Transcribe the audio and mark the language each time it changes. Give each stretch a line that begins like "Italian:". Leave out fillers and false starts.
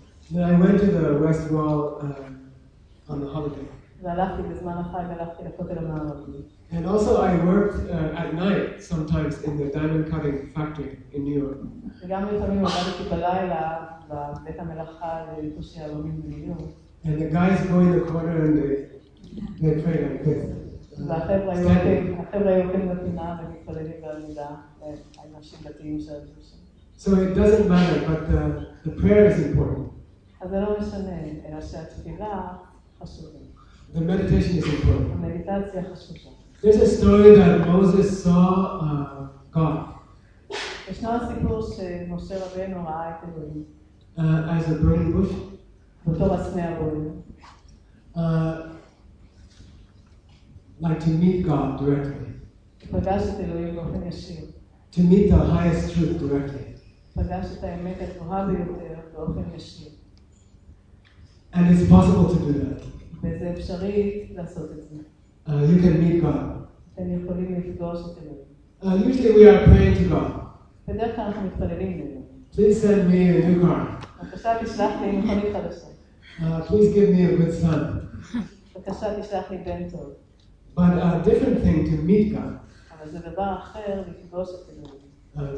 English: Then I went to the West Wall on the holiday.
Hebrew: והלכתי בזמן החג, הלכתי לכותל המערבי.
English: And also I worked at night sometimes in the diamond cutting factory in New York.
Hebrew: וגם לפעמים עבדתי בלילה בבית המלאכה לתושי הלומים בניו יורק.
English: And the guys go in the corner and they pray like this.
Hebrew: והחבר'ה יורקים בפינה ומתפללים בעמידה לאנשים דתיים של התושי.
English: So it doesn't matter, but the prayer is important.
Hebrew: אז זה לא משנה, אלא שהתפילה חשובה.
English: The meditation is important.
Hebrew: המדיטציה חשובה.
English: There's a story that Moses saw God.
Hebrew: ישנו הסיפור שמשה רבנו ראה את אלוהים.
English: As a burning bush.
Hebrew: בתור הסנה הבוערת.
English: Like to meet God directly.
Hebrew: פגש את אלוהים באופן ישיר.
English: To meet the highest truth directly.
Hebrew: פגש את האמת הגבוהה ביותר באופן ישיר.
English: And it's possible to do that.
Hebrew: וזה אפשרי לעשות את זה.
English: You can meet God.
Hebrew: אתם יכולים לפגוש את אלוהים.
English: Usually we are praying to God.
Hebrew: בדרך כלל אנחנו מתפללים לאלוהים.
English: Please send me a new car.
Hebrew: בבקשה תשלח לי מכונית חדשה.
English: Please give me a good son.
Hebrew: בבקשה תשלח לי בן טוב.
English: But a different thing to meet God.
Hebrew: אבל זה דבר אחר לפגוש את אלוהים.